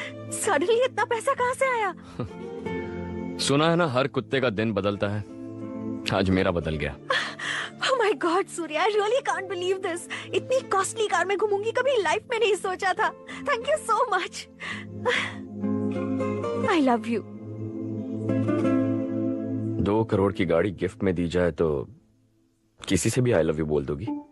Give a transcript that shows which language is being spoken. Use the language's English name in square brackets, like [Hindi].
[English] Suddenly, [Hindi] इतना पैसा कहाँ से आया? सुना है ना, हर कुत्ते का दिन बदलता है. आज मेरा बदल गया. [English] Oh my God, Surya, I really can't believe this. [Hindi] इतनी costly कार में घूमूंगी कभी life में नहीं सोचा था. Thank you so much. I love you. 2 crore की गाड़ी गिफ्ट में दी जाए तो किसी से भी [English] I love you [Hindi] बोल दोगी?